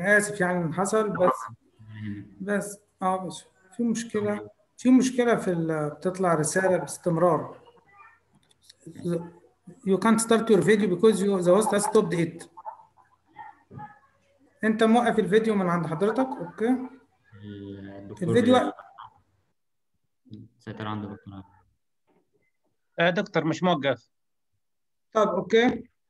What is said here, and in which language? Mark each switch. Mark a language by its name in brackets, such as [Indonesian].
[Arabic] آسف يعني حصل بس بس في مشكلة في مشكلة في بتطلع رسالة باستمرار. [English] You can't start your video because the host has stopped it. [Arabic] أنت موقف الفيديو من عند حضرتك، أوكي؟ الفيديو. سيطر عند دكتور. دكتور مش موقف. طب أوكي.